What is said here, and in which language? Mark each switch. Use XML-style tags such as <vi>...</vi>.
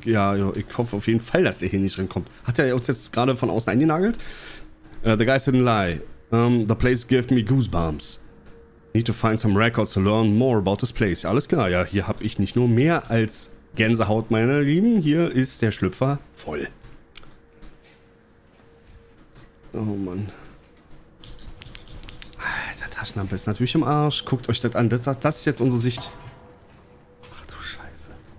<de>Ja, ich hoffe auf jeden Fall, dass er hier nicht reinkommt. Hat er uns jetzt gerade von außen eingenagelt?</de> <en>The guy said a lie. The place gave me goosebumps. Need to find some records to learn more about this place.</en> <de>Alles klar, ja, hier habe ich nicht nur mehr als Gänsehaut, meine Lieben. Hier ist der Schlüpfer voll. Oh Mann. Der Taschenlampe ist natürlich im Arsch. Guckt euch das an. Das ist jetzt unsere Sicht. Ach du Scheiße.</de>